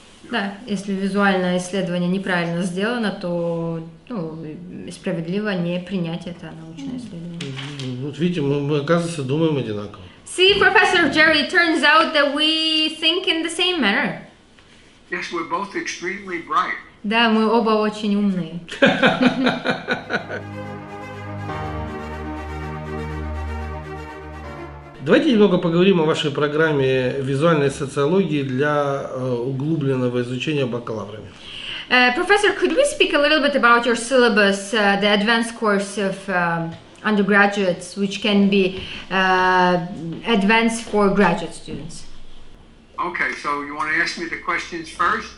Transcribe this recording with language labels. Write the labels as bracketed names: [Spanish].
[Russian] Да, если визуальное исследование неправильно сделано, то справедливо не принять это научное исследование. Вот видите, мы оказывается думаем одинаково. [English] See, Professor Jerry, turns out that we think in the same manner. Yes, we're both extremely bright. [Russian] Да, мы оба очень умные. Давайте немного поговорим о вашей программе визуальной социологии для углубленного изучения бакалаврами. [English] Professor, could we speak a little bit about your syllabus, the advanced course of undergraduates, which can be advanced for graduate students? Okay, so you want to ask me the questions first?